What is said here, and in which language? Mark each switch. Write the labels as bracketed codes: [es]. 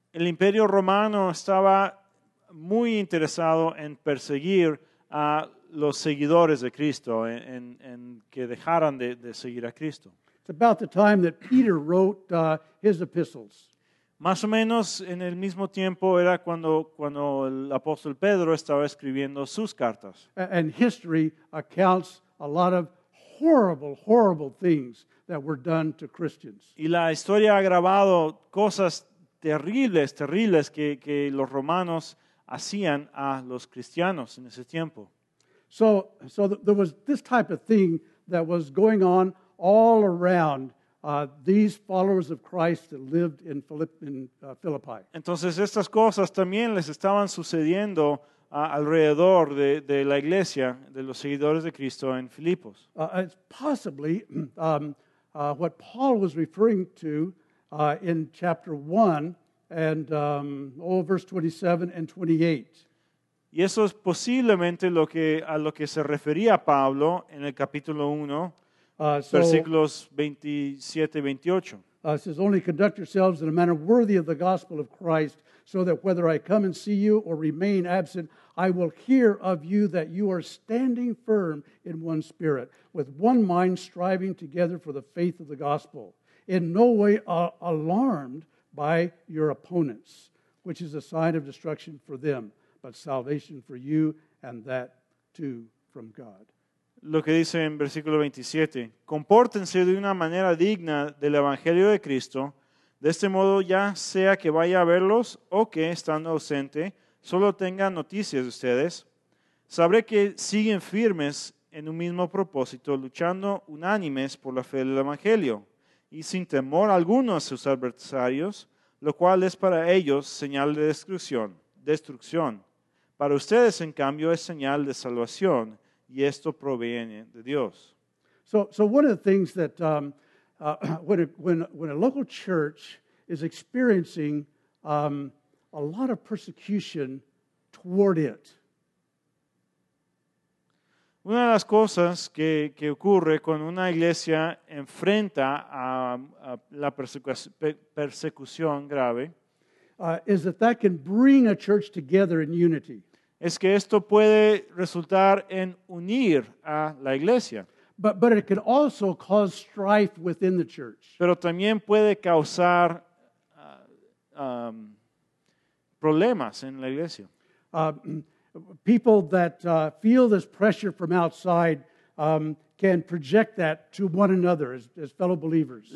[es] El Imperio Romano estaba muy interesado en perseguir a los seguidores de Cristo, en que dejaran de seguir a Cristo. [en] It's about the time that Peter wrote his epistles. [es] Más o menos en el mismo tiempo era cuando el apóstol Pedro estaba escribiendo sus cartas. [en] And history accounts a lot of horrible, horrible things that were done to Christians. [es] Y la historia ha grabado cosas terribles, terribles que los romanos hacían a los cristianos en ese tiempo. [en] So there was this type of thing that was going on all around these followers of Christ that lived in Philippi. [es] Entonces estas cosas también les estaban sucediendo alrededor de la iglesia de los seguidores de Cristo en Filipos. [en] It's possibly what Paul was referring to in chapter 1 and verse 27 and 28. [es] Y eso es posiblemente a lo que se refería Pablo en el capítulo 1. Versículos 27-28. [en] It says, only conduct yourselves in a manner worthy of the gospel of Christ, so that whether I come and see you or remain absent, I will hear of you that you are standing firm in one spirit, with one mind striving together for the faith of the gospel, in no way alarmed by your opponents, which is a sign of destruction for them, but salvation for you, and that too from God. [es] Lo que dice en versículo 27, compórtense de una manera digna del Evangelio de Cristo, de este modo ya sea que vaya a verlos o que, estando ausente, solo tengan noticias de ustedes, sabré que siguen firmes en un mismo propósito, luchando unánimes por la fe del Evangelio, y sin temor alguno a sus adversarios, lo cual es para ellos señal de destrucción. Para ustedes, en cambio, es señal de salvación, y esto proviene de Dios. [en] So one of the things that when a local church is experiencing a lot of persecution toward it. [es] Una de las cosas que ocurre cuando una iglesia enfrenta a la persecución grave [en] is that can bring a church together in unity. [es] Es que esto puede resultar en unir a la iglesia. [en] But it can also cause strife within the church. [es] Pero también puede causar problemas en la iglesia. [en] People that feel this pressure from outside can project that to one another as fellow believers.